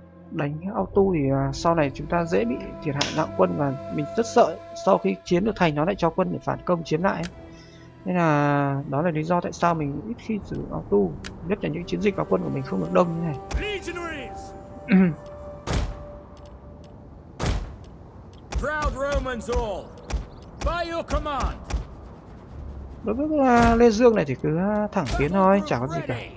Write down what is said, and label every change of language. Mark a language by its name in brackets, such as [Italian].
[Vietnamese] Đánh auto tu thì sau này chúng ta dễ bị thiệt hại nặng quân. Và mình rất sợ sau khi chiến được thành nó lại cho quân để phản công chiếm lại. Nên là đó là lý do tại sao mình ít khi sử dụng auto tu. Nhất là những chiến dịch và quân của mình không được đông như này. [English] Proud Romans all, by your command. [Vietnamese] Đối với Lê Dương này thì cứ thẳng tiến thôi, chả có gì cả.